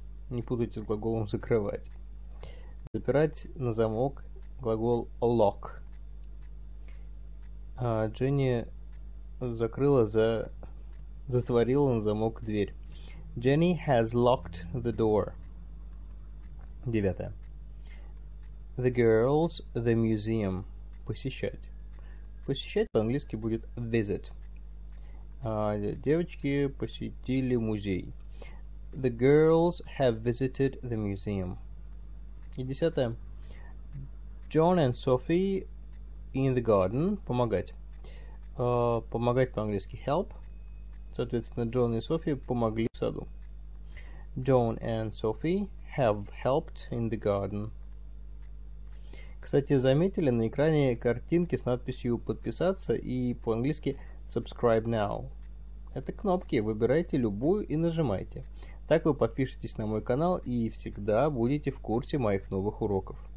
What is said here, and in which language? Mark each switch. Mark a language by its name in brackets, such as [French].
[Russian] Не путайте с глаголом закрывать. Запирать на замок. Глагол lock. А Jenny закрыла за... Затворила на замок дверь. [English] Jenny has locked the door. [Russian] Девятое. The girls, the museum. Посещать. Посещать по-английски будет visit. Девочки посетили музей. [English] The girls have visited the museum. [Russian] И десятое. John and Sophie in the garden. Помогать. Помогать по-английски help. Соответственно, Джон и Софи помогли в саду. [English] John and Sophie have helped in the garden. [Russian] Кстати, заметили на экране картинки с надписью «Подписаться» и по-английски «Subscribe now». Это кнопки, выбирайте любую и нажимайте. Так вы подпишетесь на мой канал и всегда будете в курсе моих новых уроков.